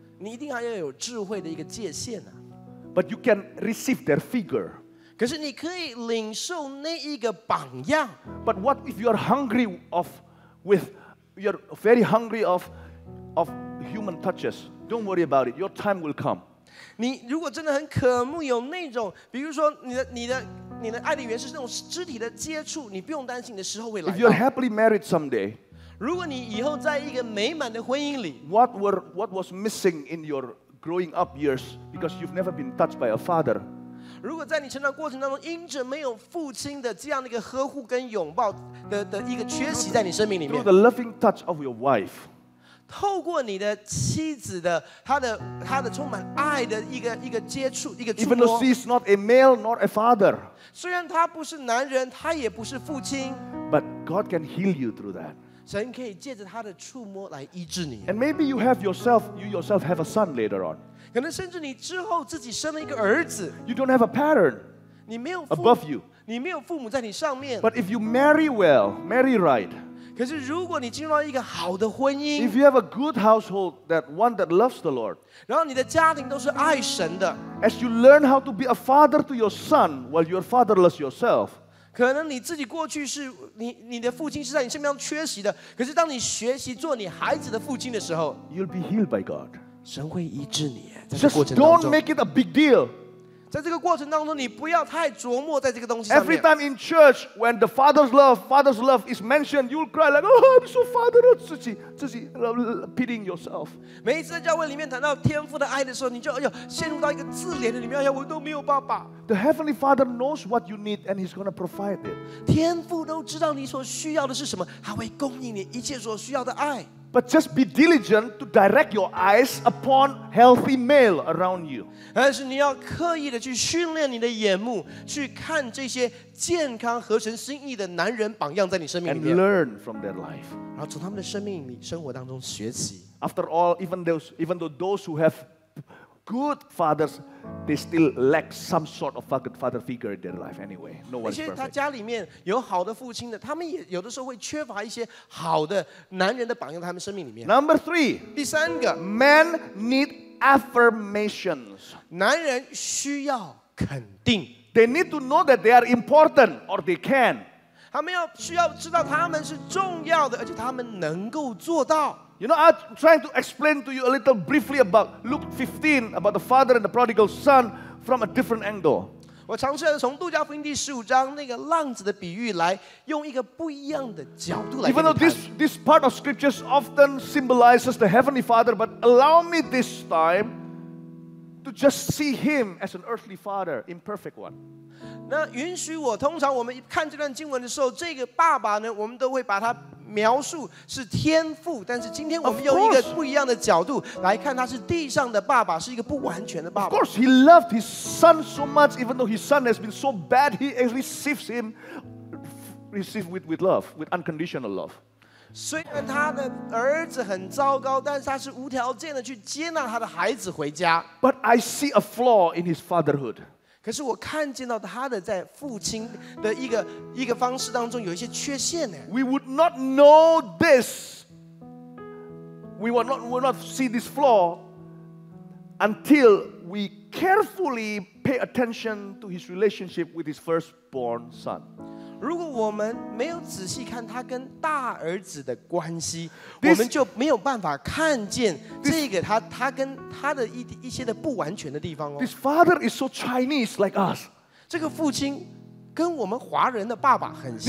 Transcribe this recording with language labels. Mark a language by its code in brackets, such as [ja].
[zh] 你一定还要有智慧的一个界限啊。 [en] But you can receive their figure. [zh] 可是你可以领受那一个榜样。 [en] But what if you are hungry of, with, you are very hungry of human touches? Don't worry about it. Your time will come. [zh] 你如果真的很渴慕有那种，比如说你的爱的源是那种肢体的接触，你不用担心你的时候会来到。 [en] If you are happily married someday. [zh] 如果你以后在一个美满的婚姻里 [en] what was missing in your growing up years because you've never been touched by a father? [zh] 如果在你成长过程当中因着没有父亲的这样的一个呵护跟拥抱 的一个缺席在你生命里面 [en] through the loving touch of your wife [zh] 透过你的妻子的她的充满爱的一个接触一个触摸 [en] even though she's not a male nor a father [zh] 虽然她不是男人她也不是父亲 [en] but God can heal you through that [zh] 神可以借着他的触摸来医治你。 [en] And maybe you have yourself, you yourself have a son later on. [zh] 可能甚至你之后自己生了一个儿子。 [en] You don't have a pattern. [zh] 你没有 [en] above you. [zh] 你没有父母在你上面。 [en] But if you marry well, marry right. [zh] 可是如果你进入到一个好的婚姻。 [en] If you have a good household, that one that loves the Lord. [zh] 然后你的家庭都是爱神的。 [en] As you learn how to be a father to your son while you're fatherless yourself. [zh] 可能你自己过去是 你的父亲是在你身边缺席的，可是当你学习做你孩子的父亲的时候， [en] You'll be healed by God. [zh] 神会医治你。 [en] Just don't make it a big deal. [zh] 在这个过程当中，你不要太琢磨在这个东西上 [en] 面。Every time in church, when the father's love is mentioned, you'll cry like, oh, I'm so fatherless. [zh] 自己 [en] pitying yourself. [zh] 每一次在教会里面谈到天父的爱的时候，你就要陷入到一个自怜的里面，哎呀，我都没有爸爸。 [en] The Heavenly Father knows what you need, and He's going to provide it. [zh] 天父都知道你所需要的是什么，他会供应你一切所需要的爱。 [en] But just be diligent to direct your eyes upon healthy male around you. [zh] 但是你要刻意的去训练你的眼目，去看这些健康合神心意的男人榜样在你生命里面。 [en] And learn from their life. [zh] 然后从他们的生命里生活当中学习。 [en] After all, even though those who have good fathers, they still lack some sort of father figure in their life anyway. No one's perfect. [zh] 那些他家里面有好的父亲的，他们也有的时候会缺乏一些好的男人的榜样在他们生命里面。 [en] Number three, [zh] 第三个 [en] men need affirmations. [zh] 男人需要肯定。 [en] They need to know that they are important or they can. [zh] 他们需要知道他们是重要的，而且他们能够做到。 [en] You know, I'm trying to explain to you a little briefly about Luke 15, about the father and the prodigal son from a different angle. [zh] 我尝试从路加福音第十五章那个浪子的比喻来用一个不一样的角度来。 [en] Even though this part of scriptures often symbolizes the heavenly father, but allow me this time to just see him as an earthly father, imperfect one. [zh] 那允许我，通常我们看这段经文的时候，这个爸爸呢，我们都会把他描述是天父，但是今天我们用一个不一样的角度来看，他是地上的爸爸，是一个不完全的爸爸。 [en] Of course, he loved his son so much, even though his son has been so bad, he receives him, with love, with unconditional love. [zh] 虽然他的儿子很糟糕，但是他是无条件的去接纳他的孩子回家。 [en] But I see a flaw in his fatherhood. [zh] 可是我看见到他的在父亲的一个方式当中有一些缺陷呢。 [en] We would not know this. We would not see this flaw until we carefully pay attention to his relationship with his firstborn son. [zh] 如果我们没有仔细看他跟大儿子的关系，我们就没有办法看见这个他跟他的一些的不完全的地方哦。 [en] This father is so Chinese like us. [zh] 这个父亲跟我们华人的爸爸很像。